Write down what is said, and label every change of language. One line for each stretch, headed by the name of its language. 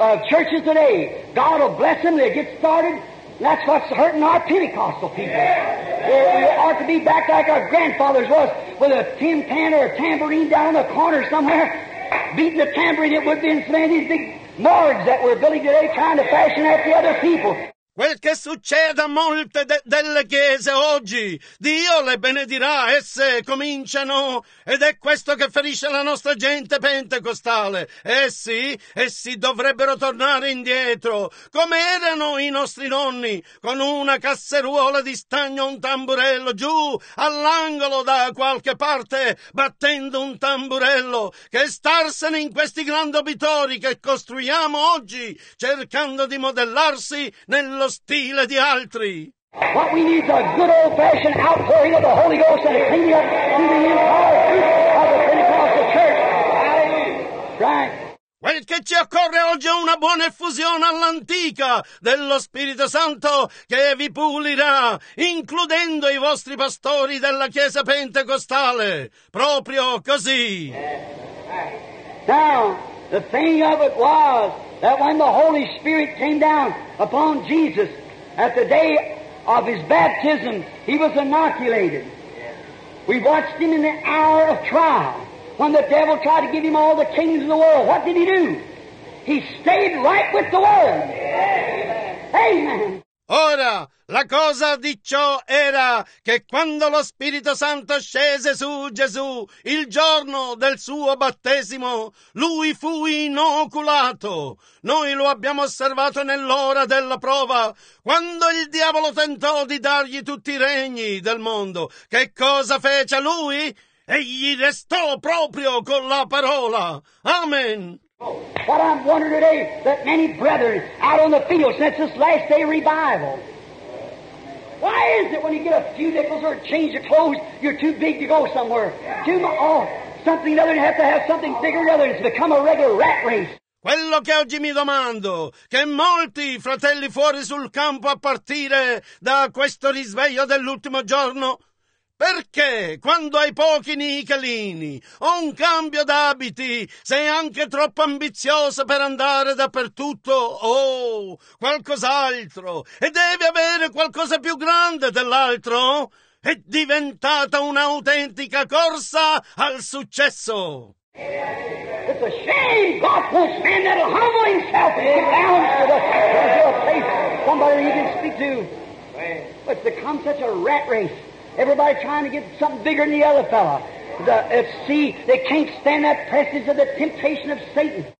English: Churches today, God will bless them, they get started. That's what's hurting our Pentecostal people. We ought to be back like our grandfathers was, with a tin pan or a tambourine down in the corner somewhere, beating the tambourine. It would be in some of these big morgues that we're building today, trying to fashion after other people.
Italian: Quel che succede a molte delle chiese oggi, Dio le benedirà, esse cominciano, ed è questo che ferisce la nostra gente pentecostale. Essi dovrebbero tornare indietro, come erano i nostri nonni, con una casseruola di stagno, un tamburello, giù all'angolo da qualche parte, battendo un tamburello, che starsene in questi grandi obitori che costruiamo oggi, cercando di modellarsi nello stile di altri.
English: What we need is a good old fashioned outpouring of the Holy Ghost and cleaning up through the entire group of the Pentecostal Church. Right.
Italian: Quel che ci occorre oggi è una buona effusione all'antica dello Spirito Santo che vi pulirà, includendo i vostri pastori della Chiesa Pentecostale. Proprio così.
English: Now, the thing of it was that when the Holy Spirit came down upon Jesus at the day of his baptism, he was inoculated. We watched him in the hour of trial when the devil tried to give him all the kings of the world. What did he do? He stayed right with the Word. Amen.
Italian: Ora, la cosa di ciò era che quando lo Spirito Santo scese su Gesù il giorno del suo battesimo, lui fu inoculato. Noi lo abbiamo osservato nell'ora della prova, quando il diavolo tentò di dargli tutti i regni del mondo. Che cosa fece lui? Egli restò proprio con la parola. Amen.
English: What I'm wondering today, that many brethren out on the field since this last day revival. Why is it when you get a few nickels or a change of clothes, you're too big to go somewhere? Something other, you have to have something bigger or other, it's become a regular rat race.
Italian: Quello che oggi mi domando, che molti fratelli fuori sul campo a partire da questo risveglio dell'ultimo giorno, Perché quando hai pochi nichelini o un cambio d'abiti sei anche troppo ambizioso per andare dappertutto o qualcos'altro e devi avere qualcosa più grande dell'altro? È diventata un'autentica corsa al successo!
English: It's a shame, godless man, that'll humble himself and come down to the face somebody he can speak to. But it's become such a rat race. Everybody trying to get something bigger than the other fella. See, they can't stand that presence of the temptation of Satan.